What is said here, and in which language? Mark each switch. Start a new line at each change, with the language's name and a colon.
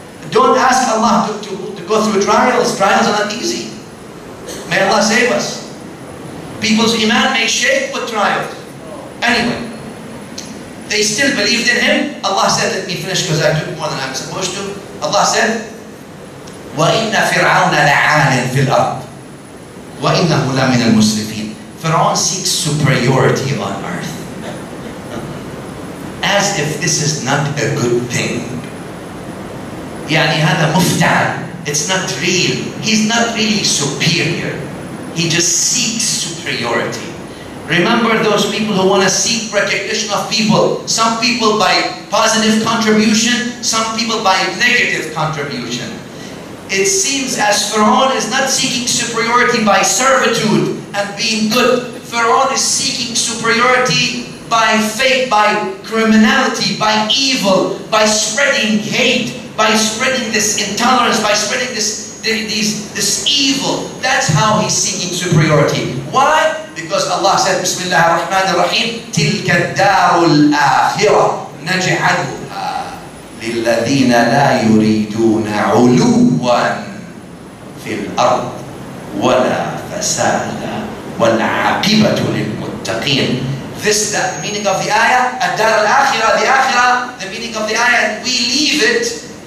English: Don't ask Allah to go through trials. Trials are not easy. May Allah save us. People's iman may shake with trial. Anyway, they still believed in him. Allah said, let me finish because I took more than I'm supposed to. Allah said,
Arabic: وَإِنَّ فِرْعَوْنَ لَعَالٍ فِي الْأَرْضِ وَإِنَّهُ لَمِنَ الْمُسْرِفِينَ.
English: Fir'aun seeks superiority on earth. As if this is not a good thing.
Arabic: يعني هذا مفتعل.
English: It's not real. He's not really superior. He just seeks superiority. Remember those people who want to seek recognition of people. Some people by positive contribution, some people by negative contribution. It seems as Fir'aun is not seeking superiority by servitude and being good. Fir'aun is seeking superiority by fate, by criminality, by evil, by spreading hate, by spreading this intolerance, by spreading this evil. That's how he's seeking superiority. Why? Because Allah said,
Arabic: Bismillah ar-Rahman ar-Rahim, تِلْكَ الدَّارُ الْآخِرَةِ نَجْعَلُهَا لِلَّذِينَ لَا يُرِيدُونَ عُلُوًا فِي الْأَرْضِ وَلَا فَسَادًا وَالْعَاقِبَةُ لِلْمُتَّقِينَ.
English: This, the meaning of the ayah,
Arabic: الدَّارُ الْآخِرَةِ,
English: the akhirah, the meaning of the ayah, we leave it.